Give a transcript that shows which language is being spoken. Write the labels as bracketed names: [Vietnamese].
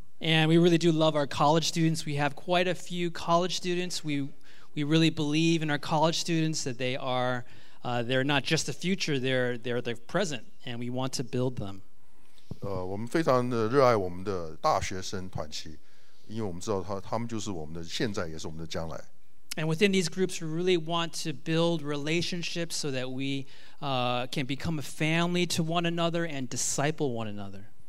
[English] And we really do love our college students. We have quite a few college students. We really believe in our college students that they are they're not just the future, they're the present, and we want to build them. [Chinese] 我们非常的热爱我们的大学生团契，因为我们知道他们就是我们的现在，也是我们的将来。 [English] And within these groups, we really want to build relationships so that we can become a family to one another and disciple one another.